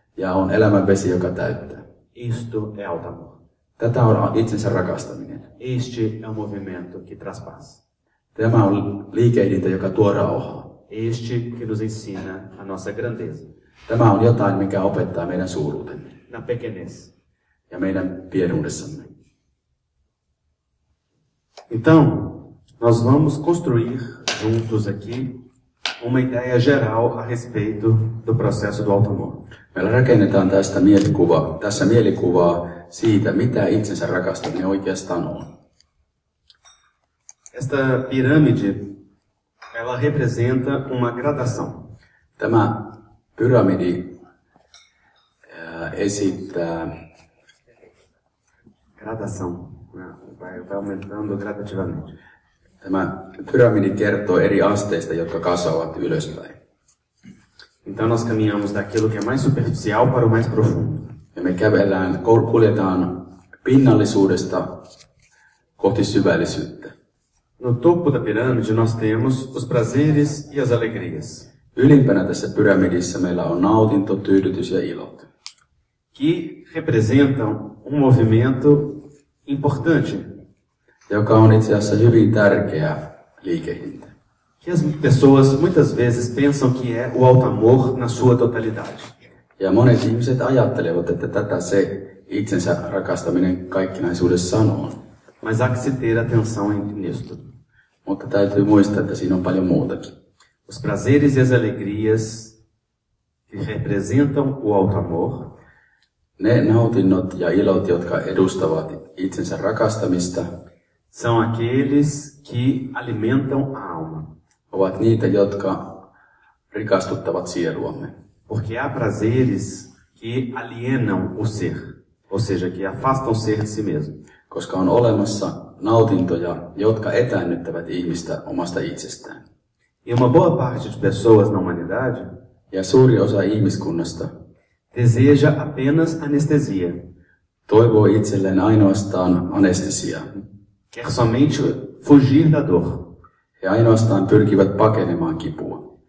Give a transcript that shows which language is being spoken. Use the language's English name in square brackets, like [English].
[Finnish] Ja on elämän vesi, joka täyttää. [Portuguese] Isto é o amor. [Finnish] Tätä on itsensä rakastaminen. [Portuguese] Este é o movimento que traspassa. [Finnish] Tämä on liikehdintä, joka tuo rauhaa. [Portuguese] Este que nos ensina a nossa grandeza. [Finnish] Tämä on jotain, mikä opettaa meidän suuruutemme. [Portuguese] Na pequenez. [Finnish] Ja meidän pienuudessamme. [Portuguese] Então, nós vamos construir juntos aqui uma ideia geral a respeito do processo do auto-amor. [Finnish] Meillä rakennetaan tässä mielikuvaa siitä, mitä itsensä rakastaminen oikeastaan on. [Portuguese] Esta pirâmide, ela representa uma gradação. [Finnish] Tämä pyramidi esittää [Portuguese] gradação. Vai aumentando gradativamente. [Finnish] Tämä pyramidi kertoo eri asteista, jotka kasvavat ylöspäin. [Portuguese] Então nós caminhamos daquilo que é mais superficial para o mais profundo. [Finnish] Ja me kävellään, kuljetaan pinnallisuudesta kohti syvällisyyttä. [Portuguese] No topo da pirâmide nós temos os prazeres e as alegrias. [Finnish] Ylimpänä tässä pyramidissa meillä on nautinto, tyydytys ja ilot. [Portuguese] Que representam movimento importante. [Finnish] Joka on itse asiassa hyvin tärkeä liikehdintä. [Portuguese] Que as pessoas muitas vezes pensam que é o auto-amor na sua totalidade. [Finnish] Ja monet ihmiset ajattelevat, että tätä se itsensä rakastaminen kaikkinaisuudessaan on. [Portuguese] Mas há que se ter atenção nisto. [Finnish] Mutta täytyy muistaa, että siinä on paljon muutakin. [Portuguese] Os prazeres e as alegrias que representam o auto-amor. [Finnish] Ne nautinnot ja ilot, jotka edustavat itsensä rakastamista. [Portuguese] São aqueles que alimentam a alma. [Finnish] Ovat niitä, jotka rikastuttavat sieluamme. [Portuguese] Porque há prazeres que alienam o ser. Ou seja, que afastam o ser de si mesmo. [Finnish] Koska on olemassa nautintoja, jotka etäännyttävät ihmistä omasta itsestään. [Portuguese] E uma boa parte de pessoas na humanidade. [Finnish] Ja suuri osa ihmiskunnasta. [Portuguese] Deseja apenas anestesia. [Finnish] Toivoo itselleen ainoastaan anestesiaa. [Portuguese] Quer somente fugir da dor. [Finnish] He ainoastaan pyrkivät pakenemaan kipua.